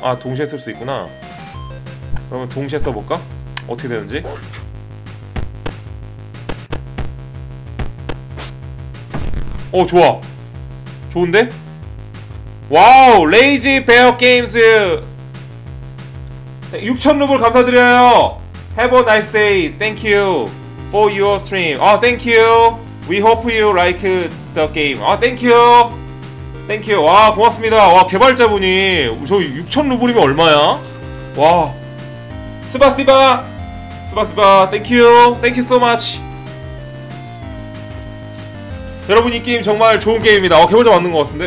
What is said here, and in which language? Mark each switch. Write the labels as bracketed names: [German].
[Korean] 아 동시에 쓸 수 있구나. 그러면 동시에 써볼까? 어떻게 되는지? 어 좋아. 좋은데? 와우 레이지 베어 게임즈 6000루블 감사드려요. [English] Have a nice day. Thank you for your stream. Oh, thank you. We hope you like the game. Oh, thank you. Thank you. [Korean] 와 고맙습니다. 와 개발자분이 저 6000루블이면 얼마야? 와 스바스티바 스바스티바 [English] Thank you. Thank you so much. [Korean] 여러분 이 게임 정말 좋은 게임입니다. 어 개발자 맞는 것 같은데?